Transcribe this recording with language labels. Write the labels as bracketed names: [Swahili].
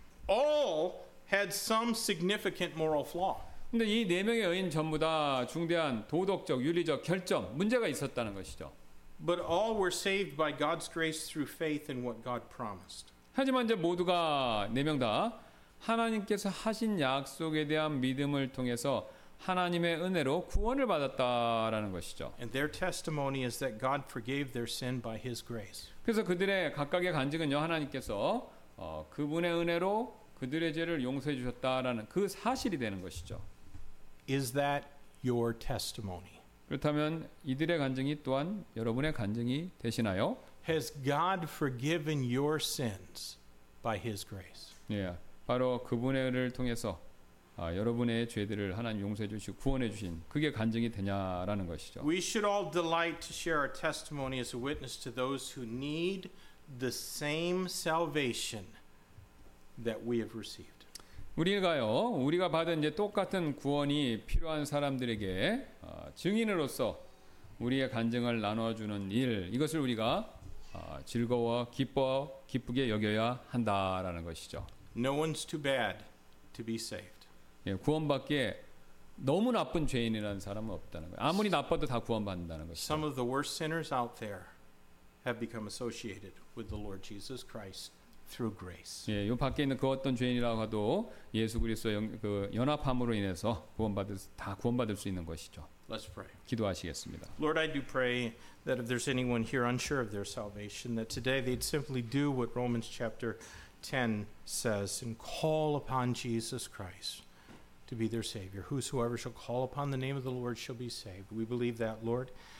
[English] All had some significant moral flaw. [Korean] 근데 이 네 명의 여인 전부 다 중대한 도덕적, 윤리적 결점 문제가 있었다는 것이죠. [English] But all were saved by God's grace through faith in what God promised. [Korean] 하지만 이제 모두가 네 명 다 하나님께서 하신 약속에 대한 믿음을 통해서 하나님의 은혜로 구원을 받았다라는 것이죠. [English] And their testimony is that God forgave their sin by His grace. [Korean] 그래서 그들의 각각의 간증은요 하나님께서 그분의 은혜로 그들의 죄를 용서해 주셨다라는 그 사실이 되는 것이죠. [English] Is that your testimony? [Korean] 그렇다면 이들의 간증이 또한 여러분의 간증이 되시나요? [English] Has God forgiven your sins by His grace? [Korean] 예, yeah, 바로 그분의 은혜를 통해서 여러분의 죄들을 하나님 용서해 주시고 구원해 주신 그게 간증이 되냐라는 것이죠. [English] We should all delight to share our testimony as a witness to those who need the same salvation that we have received. [Korean] 우리가요, 우리가 받은 이제 똑같은 구원이 필요한 사람들에게 증인으로서 우리의 간증을 나눠주는 일, 이것을 우리가 즐거워, 기뻐, 기쁘게 여겨야 한다라는 것이죠. [English] No one's too bad to be saved. [Korean] 예, 구원받기에 너무 나쁜 죄인이라는 사람은 없다는 거예요. 아무리 나빠도 다 구원받는다는 것이죠. [English] Some of the worst sinners out there have become associated with the Lord Jesus Christ through grace. [Korean] 예, 요 밖에 있는 그 어떤 죄인이라고 해도 예수 그리스도 그 연합함으로 인해서 구원받을 다 구원받을 수 있는 것이죠. [English] Let's pray. [Korean] 기도하시겠습니다. [English] Lord, I do pray that if there's anyone here unsure of their salvation, that today they'd simply do what Romans chapter 10 says and call upon Jesus Christ to be their Savior. Whosoever shall call upon the name of the Lord shall be saved. We believe that, Lord.